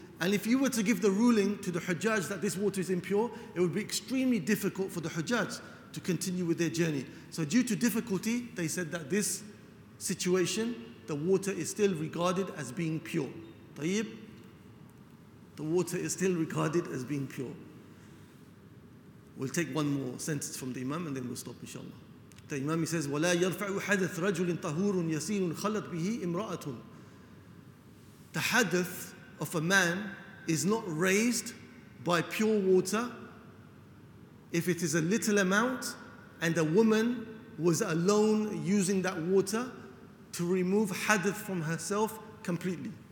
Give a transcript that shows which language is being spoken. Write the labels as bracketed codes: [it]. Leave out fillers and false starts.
[en] And if you were to give the ruling to the hujjaj that this water is impure, it would be extremely difficult for the hujjaj to continue with their journey. So due to difficulty, they said that this situation, the water is still regarded as being pure. Tayyib, the water is still regarded as being pure. We'll take one more sentence from the imam and then we'll stop, inshallah. The imam, he says, [ar] وَلَا يَرْفَعُ حَدَثْ رَجُلٍ طَهُورٌ يَسِيرٌ خَلَطْ بِهِ إِمْرَأَةٌ. [en] The hadith of a man is not raised by pure water if it is a little amount and a woman was alone using that water to remove hadith from herself completely.